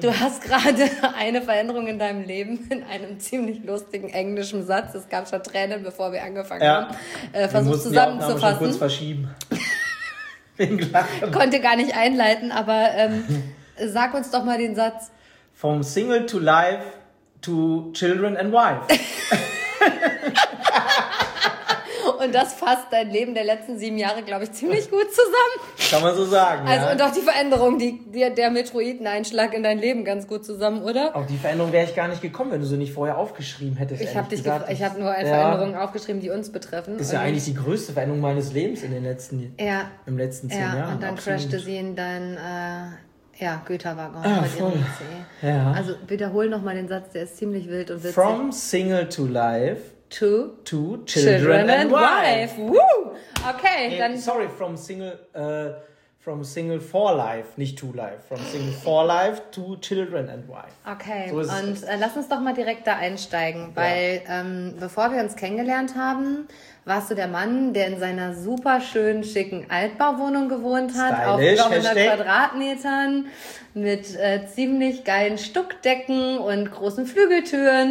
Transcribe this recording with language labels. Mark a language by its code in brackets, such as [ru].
[de] Du hast gerade eine Veränderung in deinem Leben in einem ziemlich lustigen englischen Satz. Es gab schon Tränen, bevor wir angefangen haben. Versuch zusammenzufassen. Kurz verschieben. Konnte gar nicht einleiten, aber sag uns doch mal den Satz. [en] From single to life to children and wife. [de] Und das fasst dein Leben der letzten 7 Jahre, glaube ich, ziemlich gut zusammen. Kann man so sagen, also, ja. Und auch die Veränderung, der Metroideneinschlag in dein Leben ganz gut zusammen, oder? Auf die Veränderung wäre ich gar nicht gekommen, wenn du sie nicht vorher aufgeschrieben hättest. Ich habe nur Veränderungen aufgeschrieben, die uns betreffen. Das ist ja eigentlich die größte Veränderung meines Lebens in den letzten, im letzten 10 Jahren. Ja, und dann crashte sie in dein Güterwaggon. Ah, voll. Ja. Also wiederhol nochmal den Satz, der ist ziemlich wild und witzig. [en] From single to life. To children and wife. [de] Woo! Okay, dann. [en] Sorry, from single for life, [de] nicht [en] to life. From single for life to children and wife. [de] Okay, so und lass uns doch mal direkt da einsteigen, weil bevor wir uns kennengelernt haben, warst du der Mann, der in seiner super schön schicken Altbauwohnung gewohnt hat. Stylisch, auf 300 Quadratmetern mit ziemlich geilen Stuckdecken und großen Flügeltüren.